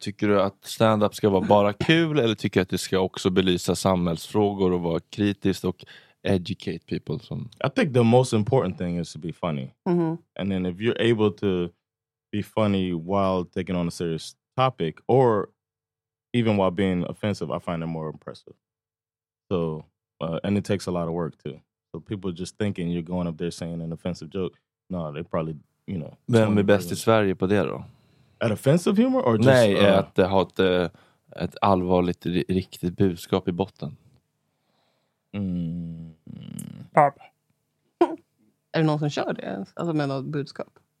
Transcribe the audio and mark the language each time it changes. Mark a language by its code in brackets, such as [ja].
[sv] Tycker du att stand-up ska vara bara kul, eller tycker du att det ska också belysa samhällsfrågor och vara kritiskt och [en] educate people? I think the most important thing is to be funny. Mm-hmm. And then if you're able to be funny while taking on a serious topic, or even while being offensive, I find it more impressive. So, and it takes a lot of work too. So people just thinking you're going up there saying an offensive joke. No, they probably, you know. [sv] Vem är bäst i Sverige på det då? [en] At offensive humor? Or just, [sv] nej, att ha ett allvarligt riktigt budskap i botten. Pop. Är det någon som kör det? Alltså med något budskap?